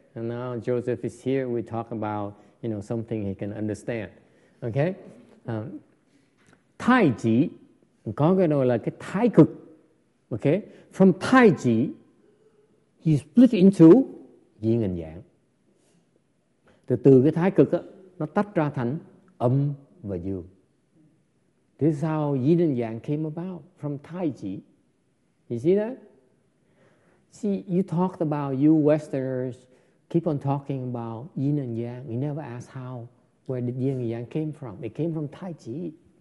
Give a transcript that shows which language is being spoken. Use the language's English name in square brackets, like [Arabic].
[English] And now Joseph is here. We talk about something he can understand. Okay. [Vietnamese] Tai Chi. Có cái đó là cái Thái cực. Okay. [English] From Tai Chi, he split into Yin and Yang. [Vietnamese] Từ cái thái cực á, nó tách ra thành âm và dương. [English] This is how yin and yang came about from Tai Chi. You see that? See, you talked about, you Westerners keep on talking about yin and yang. You never ask how, where did yin and yang came from. It came from Tai Chi.